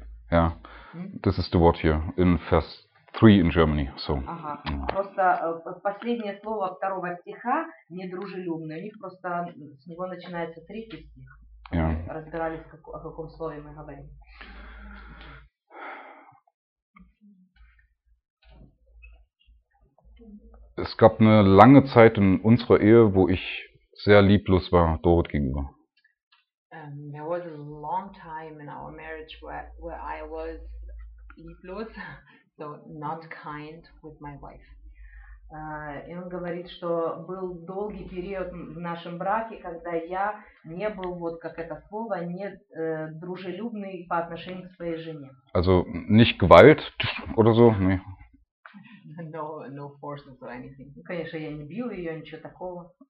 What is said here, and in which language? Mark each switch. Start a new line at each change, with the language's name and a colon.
English: Yeah, this is the word here in verse 3 in Germany. So.
Russian: Просто последнее слово второго стиха недружелюбное. У них просто с него начинается третий стих.
English: Yeah.
Russian: Разбирались, о каком слове мы говорим.
German: Es gab eine lange Zeit in unserer Ehe, wo ich sehr lieblos war, Dorit gegenüber.
English: There was a long time in our marriage where I was lieblos, so not kind with my wife.
Russian: И он говорит, что был долгий период в нашем браке, когда я не был, вот как это слово, не дружелюбный по отношению к своей жене.
German: Also nicht Gewalt oder so, nee.
English: No forces or anything.
Russian: Ну, конечно, я не бил ее, ничего такого.